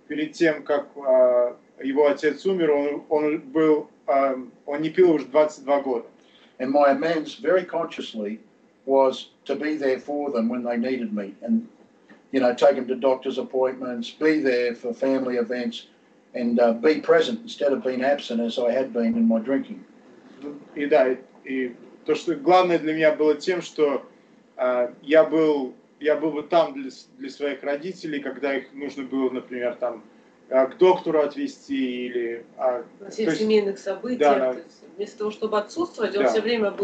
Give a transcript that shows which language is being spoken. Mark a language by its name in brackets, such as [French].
[Russian] Перед тем как его отец умер, он не пил уже 22 года. [English] And my amends, very consciously, was to be there for them when they needed me, and you know, take them to doctor's appointments, be there for family events. And be present instead of being absent as I had been in my drinking. [Russian] И да, и то, что главное для меня было тем, что я был бы там для своих родителей, когда их нужно было, например, там к доктору отвезти или на семейных событиях. Да, то есть, вместо того, чтобы отсутствовать, он все время был